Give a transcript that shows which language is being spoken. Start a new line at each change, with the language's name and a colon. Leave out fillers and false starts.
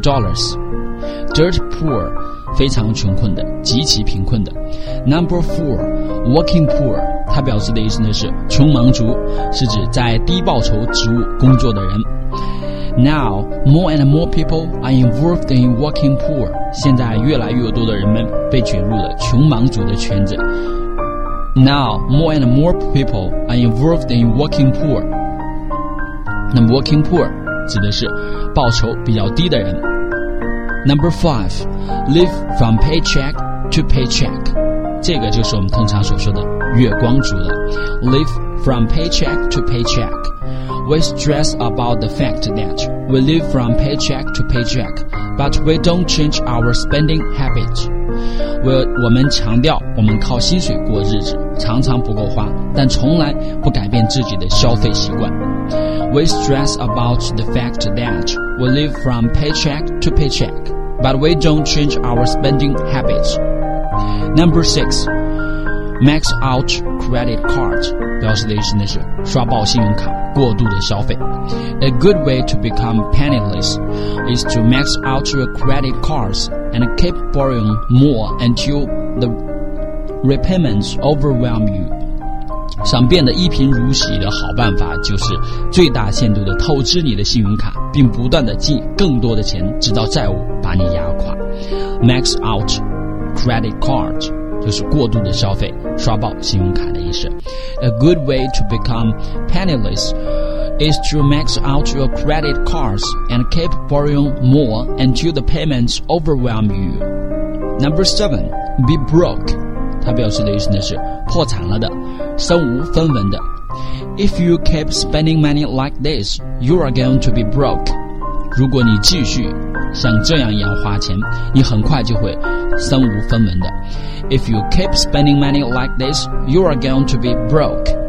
English: Dirt poor，
Chinese: 非常穷困的，极其贫困的。
English: Number four, working poor，
Chinese: 它表示的意思呢是穷忙族，是指在低报酬职务工作的人。
English: Now, more and more people are involved in working poor.
Chinese: 现在越来越多的人们被卷入了穷忙族的圈子。
English: Now, more and more people are involved in working poor.
Chinese: 那么 working poor 指的是报酬比较低的人。
English: Number five, live from paycheck to paycheck.
Chinese: 这个就是我们通常所说的月光族了。
English: Live from paycheck to paycheck. We stress about the fact that we live from paycheck to paycheck, but we don't change our spending habits.
Chinese: 我们强调我们靠薪水过日子，常常不够花，但从来不改变自己的消费习惯。
English: We stress about the fact that we live from paycheck to paycheck, but we don't change our spending habits. Number six, max out credit card.
Chinese: 表示的意思呢是刷爆信用卡。过度的消费。
English: A good way to become penniless is to max out your credit cards and keep borrowing more until the repayments overwhelm you.
Chinese: 想变得一贫如洗的好办法就是最大限度的透支你的信用卡，并不断的借更多的钱，直到债务把你压垮。
English: Max out credit cards
Chinese: 就是过度的消费，刷爆信用卡的意思。
English: A good way to become penniless is to max out your credit cards and keep borrowing more until the payments overwhelm you. Number seven, be broke.
Chinese: 它表示的意思呢是破产了的，身无分文的。
English: If you keep spending money like this, you are going to be broke.
Chinese: 如果你继续像这样一样花钱，你很快就会身无分文的。
English: If you keep spending money like this, you are going to be broke.